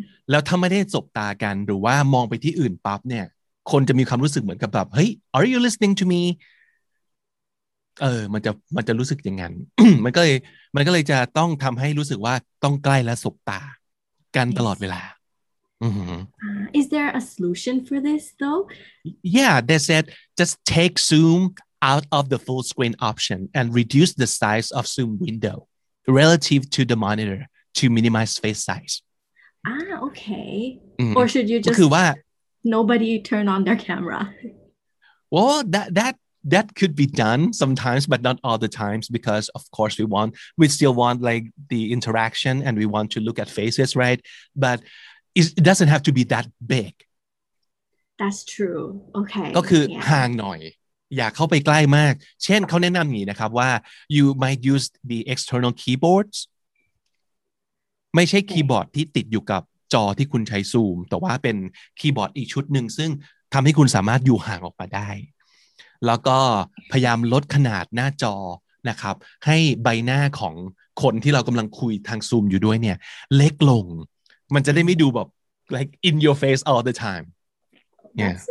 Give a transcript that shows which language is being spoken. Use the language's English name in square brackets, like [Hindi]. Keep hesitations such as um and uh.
[Thai] แล้วถ้าไม่ได้จบตากันหรือว่ามองไปที่อื่นปั๊บเนี่ย คนจะมีความรู้สึกเหมือนกับแบบเฮ้ย [English] are you listening to me [Thai] เออ มันจะ มันจะรู้สึกอย่างนั้น มันก็เลยมันก็เลยจะต้องทําให้รู้สึกว่าต้องใกล้และสบตากันตลอดเวลา like [English] Is... Is there a solution for this though? Yeah, they said just take Zoom out of the full screen option and reduce the size of Zoom window relative to the monitor to minimize face size. Ah, okay. Mm-hmm. Or should you just nobody turn on their camera? Well, th that that that could be done sometimes but not all the times because of course we want we still want like the interaction and we want to look at faces right but it doesn't have to be that big that's true okay [Thai] ก็คือห่าง หน่อย อย่าเข้าไปใกล้มาก เช่นเขาแนะนำอย่างนี้นะครับว่า [English] you might use the external keyboards [Thai] ไม่ใช่คีย์บอร์ดที่ติดอยู่กับจอที่คุณใช้ซูม แต่ว่าเป็นคีย์บอร์ดอีกชุดหนึ่งซึ่งทำให้คุณสามารถอยู่ห่างออกมาได้แล้วก็พยายามลดขนาดหน้าจอนะครับ ให้ใบหน้าของคนที่เรากำลังคุยทางซูมอยู่ด้วยเนี่ย เล็กลง มันจะได้ไม่ดูแบบ [English] like in your face all the time yeah That's